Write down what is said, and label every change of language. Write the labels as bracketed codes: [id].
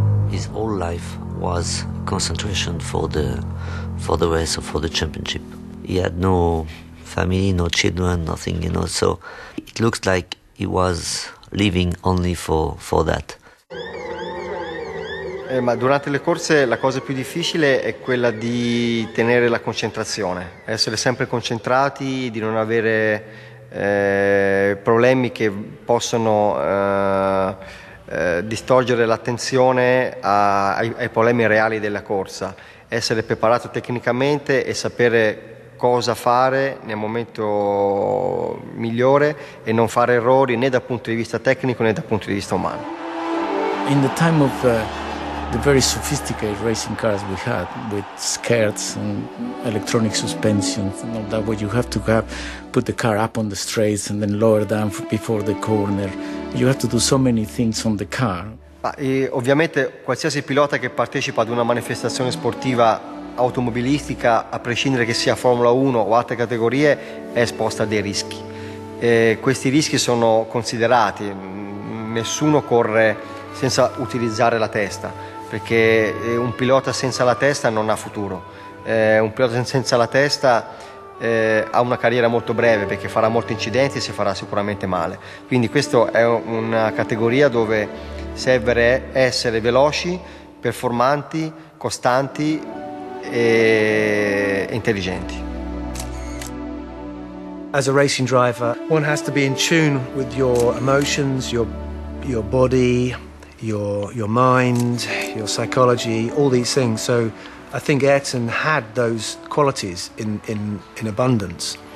[en] His whole life was concentration for the race or for the championship. He had no family, no children, nothing, you know, so it looks like he was living only for that. [it] Ma durante le corse la cosa più difficile è quella di tenere la concentrazione, essere sempre concentrati, di non avere problemi che possono distorgere l'attenzione ai problemi reali della corsa, essere preparato tecnicamente e sapere cosa fare nel momento migliore e non fare errori né dal punto di vista tecnico né dal punto di vista umano. [en] In the time of the very sophisticated racing cars we had with skirts and electronic suspensions and all that, where you have to have put the car up on the straights and then lower down before the corner. You have to do so many things on the car. [it] E ovviamente qualsiasi pilota che partecipa ad una manifestazione sportiva automobilistica, a prescindere che sia Formula 1 o altre categorie, è esposta a dei rischi. E questi rischi sono considerati. Nessuno corre senza utilizzare la testa, perché un pilota senza la testa non ha futuro. Un pilota senza la testa ha una carriera molto breve, perché farà molti incidenti e si farà sicuramente male. Quindi questa è una categoria dove serve essere veloci, performanti, costanti e intelligenti. [en] As a racing driver, one has to be in tune with your emotions, your body, your mind, your psychology, all these things. So I think Ayrton had those qualities in abundance.